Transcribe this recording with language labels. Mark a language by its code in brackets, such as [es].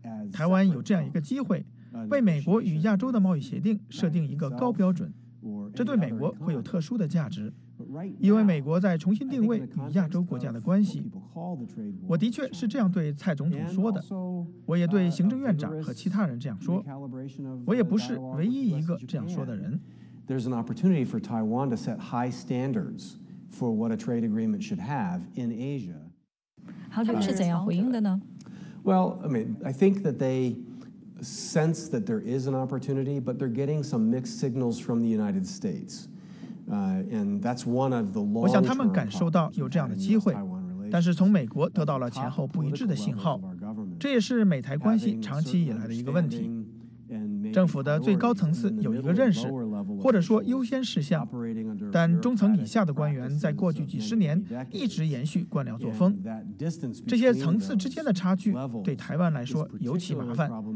[zh] 台湾有这样一个机会，为美国与亚洲的贸易协定设定一个高标准，这对美国会有特殊的价值，因为美国在重新定位与亚洲国家的关系。我的确是这样对蔡总统说的，我也对行政院长和其他人这样说，我也不是唯一一个这样说的人。 [en] There's an opportunity for Taiwan to set high standards for what a trade agreement should have in Asia. [zh] 他们是怎样回应的呢？ [en] Well, I mean, I think that they sense that there is an opportunity, but they're getting some mixed signals from the United States. And that's one of the long-term. [zh] 我想他们感受到有这样的机会，但是从美国得到了前后不一致的信号，这也是美台关系长期以来的一个问题。政府的最高层次有一个认识，或者说优先事项，但中层以下的官员在过去几十年一直延续官僚作风，这些层次之间的差距对台湾来说尤其麻烦，